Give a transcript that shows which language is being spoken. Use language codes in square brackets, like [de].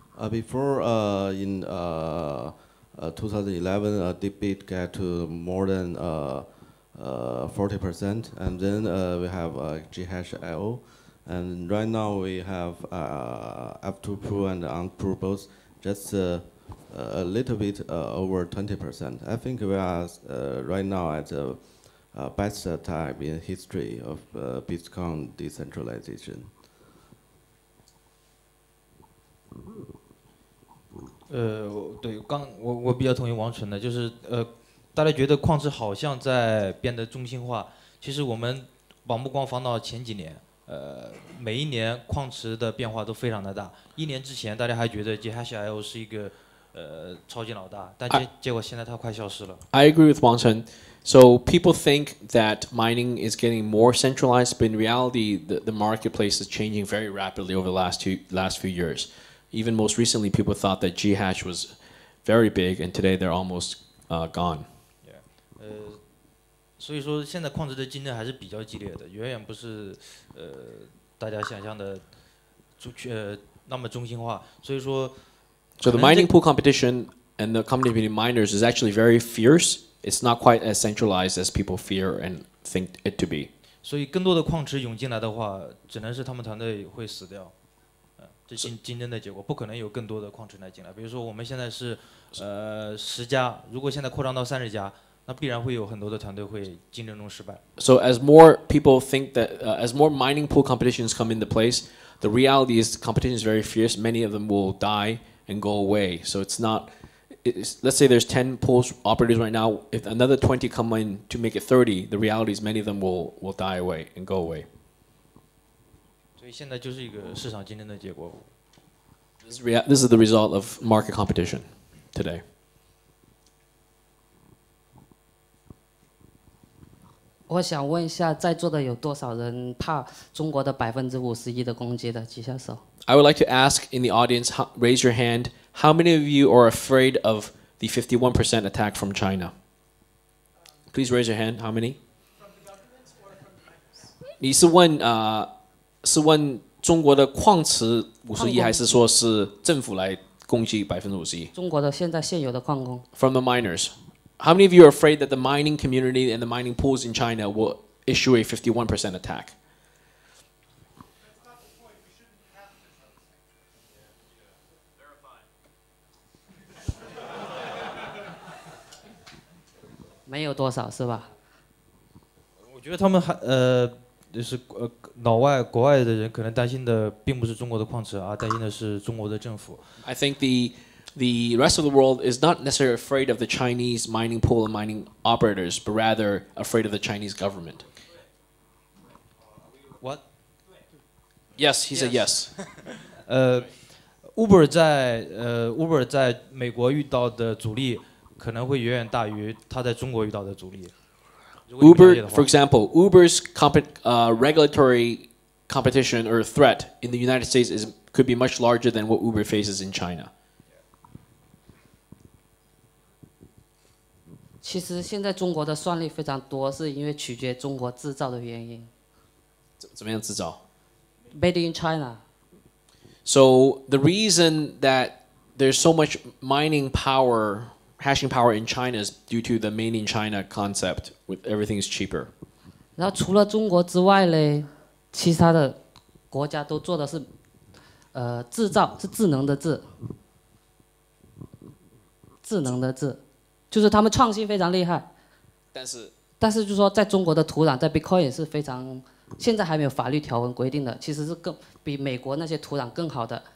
[en] Before in 2011, DeepBit got to more than 40%, and then we have Ghash IO, and right now we have F2Pro and UnPro both just a little bit over 20%. I think we are right now at the best time in history of Bitcoin decentralization. I [zh] 比较同意王纯的，就是大家觉得矿池好像在变得中心化。其实我们往目光放到前几年，每一年矿池的变化都非常的大。一年之前，大家还觉得 GHIO 是一个超级老大，但结果现在它快消失了。 [en] I agree with Wang Chen. So people think that mining is getting more centralized, but in reality, the marketplace is changing very rapidly over the last few years. Even most recently, people thought that Ghash was very big, and today they're almost gone. Yeah. [zh] 所以说现在矿池的竞争还是比较激烈的，远远不是大家想象的那么中心化。所以说 [en] So the mining pool competition and the competition between miners is actually very fierce. It's not quite as centralized as people fear and think it to be. [zh] 所以更多的矿池涌进来的话，只能是他们团队会死掉。竞争的结果不可能有更多的矿池来进来。比如说，我们现在是十家，如果现在扩张到三十家，那必然会有很多的团队会竞争中失败。 [en] So as more people think that as more mining pool competitions come into place, the reality is competition is very fierce. Many of them will die and go away. So it's not. Let's say there's 10 pools operators right now. If another 20 come in to make it 30, the reality is many of them will die away and go away. [zh] 所以现在就是一个市场竞争的结果。 [en] This is the result of market competition today. [zh] 我想问一下，在座的有多少人怕中国的51%的攻击的？举下手。 [en] I would like to ask in the audience, raise your hand. How many of you are afraid of the 51% attack from China? Please raise your hand. How many? From the government or from the miners? [zh] 你是问是问中国的矿池51%，还是说是政府来攻击51%？中国的现有的矿工。 [en] From the miners, how many of you are afraid that the mining community and the mining pools in China will issue a 51% attack? That's not the point. We shouldn't have to tell the same thing. Yeah, verify. [zh] 没有多少是吧？我觉得他们就是老外、国外的人可能担心的并不是中国的矿池，而担心的是中国的政府。 [en] I think the rest of the world is not necessarily afraid of the Chinese mining pool and mining operators, but rather afraid of the Chinese government. What? Yes, he said yes. [zh] Uber 在美国遇到的阻力可能会远远大于他在中国遇到的阻力。 [en] Uber, for example, Uber's regulatory competition or threat in the United States could be much larger than what Uber faces in China. [zh] 其实现在中国的算力非常多，是因为取决中国制造的原因。怎么样制造 [en] ？Made in China. So the reason that there's so much mining power. Hashing power in China is due to the made in China concept, with everything is cheaper. [zh] 然后除了中国之外呢，其他的国家都做的是，制造是智能的智，智能的智，就是他们创新非常厉害。但是就是说，在中国的土壤，在 Bitcoin 是非常，现在还没有法律条文规定的，其实是更比美国那些土壤更好的。